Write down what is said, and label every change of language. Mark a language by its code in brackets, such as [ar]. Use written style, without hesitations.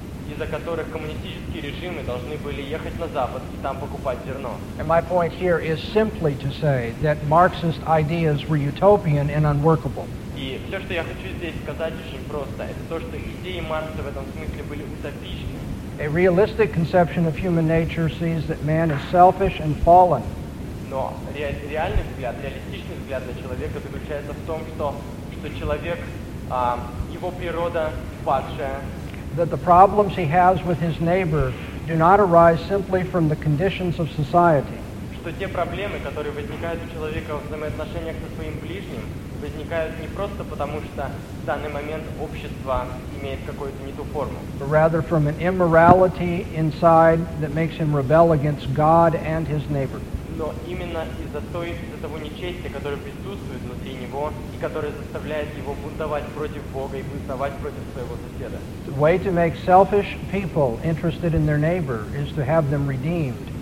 [ru] Из-за которых коммунистические режимы должны были ехать на Запад и там покупать зерно. [en] And my point here is simply to say that Marxist ideas were utopian and unworkable. [ru] И все, что я хочу здесь сказать, очень просто. Это то, что идеи Маркса в этом смысле были утопичны. [en] A realistic conception of human nature sees that man is selfish and fallen. [ru] Но реальный взгляд, реалистичный взгляд на человека заключается в том, что человек, его природа падшая. [en] That the problems he has with his neighbor do not arise simply from the conditions of society. [ru] Что те проблемы, которые возникают у человека в взаимоотношениях со своим ближним, возникают не просто потому, что в данный момент общество имеет какую-то не ту форму. [en] But rather from an immorality inside that makes him rebel against God and his neighbor. [ru] Но именно из-за того нечестия, которое присутствует внутри него, и которое заставляет его бунтовать против Бога и бунтовать против своего соседа. [en] The way to make selfish people interested in their neighbor is to have them redeemed.